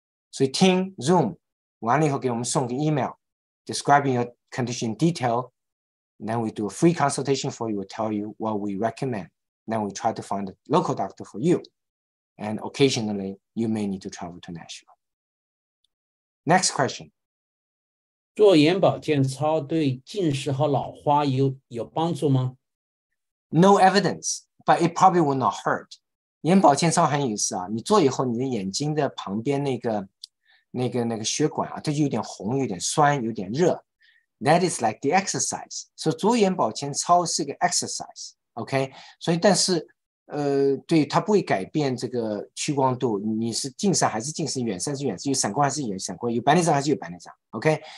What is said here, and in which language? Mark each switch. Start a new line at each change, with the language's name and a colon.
Chinese: 所以听 Zoom 完了以后给我们送个
English: email describing your condition in detail, then we do a free consultation for you, we'll tell you what we recommend, then we try to find a local doctor for you, and occasionally you may need to travel to Nashville. Next question.
Chinese: 做眼保健操对近视和老花有帮助吗？
English: No evidence, but it probably will not hurt.
Chinese: 眼保健操很有意思啊，你做以后你的眼睛的旁边那个血管啊，它就有点红，有点酸，有点热。
English: That is like the exercise. So
Chinese: 做眼保健操是个
English: exercise, OK?
Chinese: 所以但是对它不会改变这个屈光度，你是近视还是近视，远视是远视，有散光还是有散光，有白内障还是有白内障 ，OK？